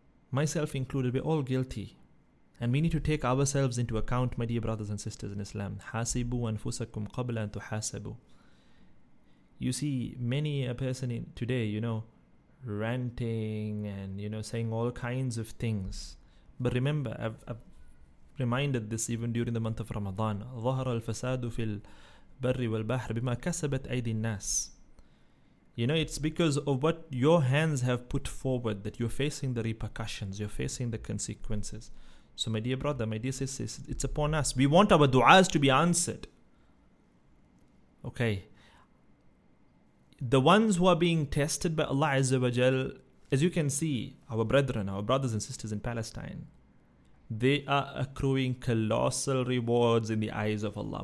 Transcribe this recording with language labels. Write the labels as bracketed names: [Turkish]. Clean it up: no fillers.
[English] Myself included, we're all guilty. And we need to take ourselves into account, my dear brothers and sisters in Islam. [Arabic] حَاسِبُوا أَنفُسَكُمْ قَبْلَ أَن تُحَاسَبُوا. [English] You see, many a person in today, you know, ranting and, you know, saying all kinds of things. But remember, I've reminded this even during the month of Ramadan. [Arabic] ظهر الفساد في البر والبحر بما كسبت أيدي الناس. [English] You know, it's because of what your hands have put forward that you're facing the repercussions, you're facing the consequences. So my dear brother, my dear sister, it's upon us. We want our du'as to be answered. Okay. The ones who are being tested by Allah Azza wa Jal, as you can see, our brethren, our brothers and sisters in Palestine, they are accruing colossal rewards in the eyes of Allah.